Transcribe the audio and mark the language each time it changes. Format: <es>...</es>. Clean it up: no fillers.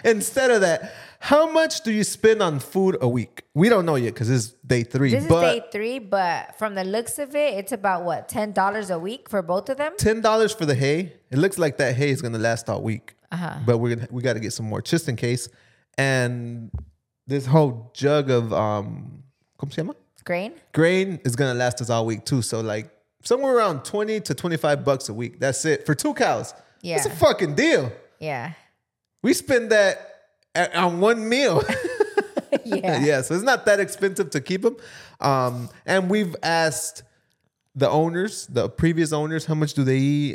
<en>Instead of that, how much do you spend on food a week? We don't know yet because it's day three. This is day three, but from the looks of it, it's about what, $10 a week for both of them? $10 for the hay. It looks like that hay is going to last all week. Uh-huh. But we got to get some more just in case. And this whole jug of</en> <es>¿cómo se llama?</es> <en>Grain is gonna last us all week too. So like somewhere around $20 to $25 a week. That's it for two cows. Yeah, it's a fucking deal. Yeah, we spend that on one meal. Yeah, so it's not that expensive to keep them. And we've asked the previous owners, how much do they eat?</en>